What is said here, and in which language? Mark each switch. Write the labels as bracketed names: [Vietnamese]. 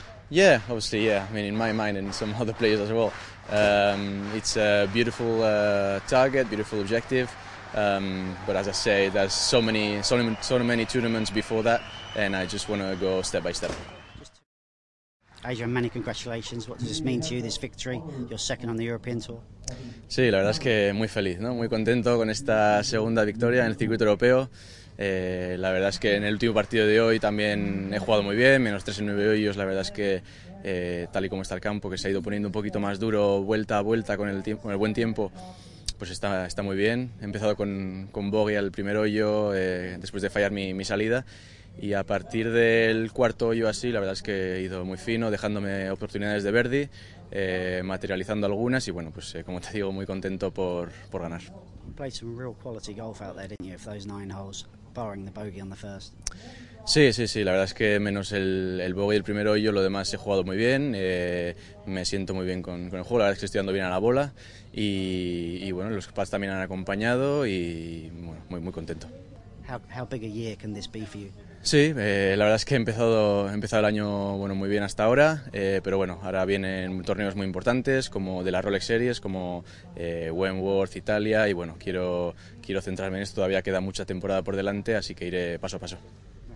[English] Yeah, obviously, yeah. I mean, in my mind and some other players as well. It's a beautiful target, beautiful objective. But as I say, there's so many tournaments before that, and I just want to go step by step. Adrian, many congratulations. What does this mean to you, this victory? Your second on the European Tour. [Spanish] Sí, la verdad es que muy feliz, ¿no? Muy contento con esta segunda victoria en el circuito europeo. La verdad es que en el último partido de hoy también he jugado muy bien, menos 3 en 9 hoyos. La verdad es que tal y como está el campo, que se ha ido poniendo un poquito más duro vuelta a vuelta con el buen tiempo, pues está muy bien. He empezado con bogey al primer hoyo, después de fallar mi salida. Y a partir del cuarto hoyo así, la verdad es que he ido muy fino, dejándome oportunidades de birdie, materializando algunas y bueno, pues como te digo, muy contento por ganar. [English] Played some real quality golf out there, didn't you, for those nine holes, barring the bogey on the first. [Spanish] Sí, la verdad es que menos el bogey, el primer hoyo, lo demás he jugado muy bien, me siento muy bien con el juego, la verdad es que estoy dando bien a la bola y bueno, los pads también han acompañado y bueno, muy, muy contento. [English] How big a year can this be for you? [Spanish] Sí, la verdad es que he empezado el año bueno muy bien hasta ahora, pero bueno, ahora vienen torneos muy importantes como de la Rolex Series, como Wentworth, Italia, y bueno, quiero centrarme en esto. Todavía queda mucha temporada por delante, así que iré paso a paso.